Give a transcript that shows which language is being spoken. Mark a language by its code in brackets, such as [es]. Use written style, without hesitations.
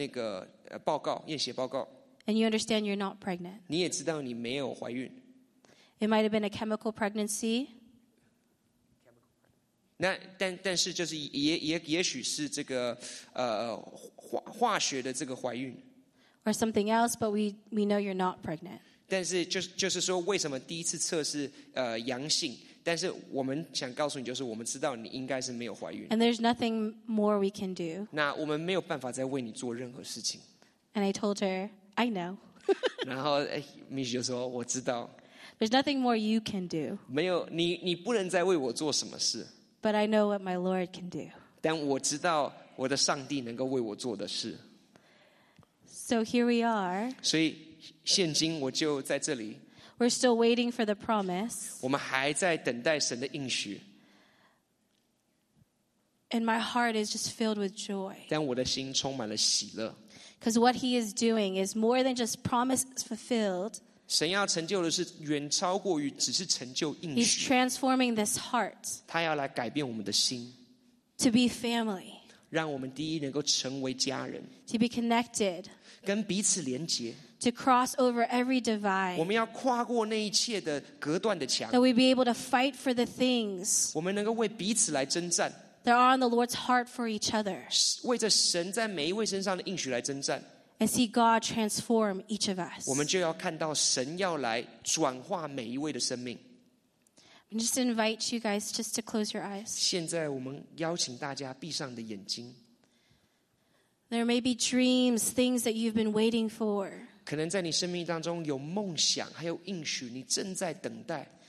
[zh] 他说，我知道你已经看到那个报告，验血报告。 [en] And you understand you're not pregnant. [zh] 你也知道你没有怀孕。 [en] It might have been a chemical pregnancy. [zh] 但是就是也许是这个化学的这个怀孕 [en] or something else, but we know you're not pregnant. [zh] 但是就是说为什么第一次测是阳性 但是我们想告诉你就是我们知道你应该是没有怀孕 [en] and there's nothing more we can do. [zh] 那我们没有办法再为你做任何事情 [en] and I told her, I know. [zh] 然后Mish就说我知道 [en] there's nothing more you can do. [zh] 没有你不能再为我做什么事 [en] But I know what my Lord can do. [zh] 但我知道我的上帝能够为我做的事。 [en] So here we are. [zh] 所以现今我就在这里。 [en] We're still waiting for the promise. [zh] 我们还在等待神的应许。 [en] And my heart is just filled with joy. [zh] 但我的心充满了喜乐。 [en] Because what he is doing is more than just promise fulfilled. [zh] 神要成就的是远超过于只是成就应许。 [en] He's transforming this heart. [zh] 他要来改变我们的心。 [en] To be family. [zh] 让我们第一能够成为家人。 [en] To be connected. [zh] 跟彼此连接。 [en] To cross over every divide. [zh] 我们要跨过那一切的隔断的墙。 [en] That we be able to fight for the things. [zh] 我们能够为彼此来征战。 [en] That are on the Lord's heart for each other. [zh] 为着神在每一位身上的应许来征战。 [en] And see God transform each of us. [zh] 我们就要看到神要来转化每一位的生命。 [en] I just invite you guys just to close your eyes. [zh] 现在我们邀请大家闭上的眼睛。 [en] There may be dreams, things that you've been waiting for. [zh] 可能在你生命当中有梦想，还有应许，你正在等待。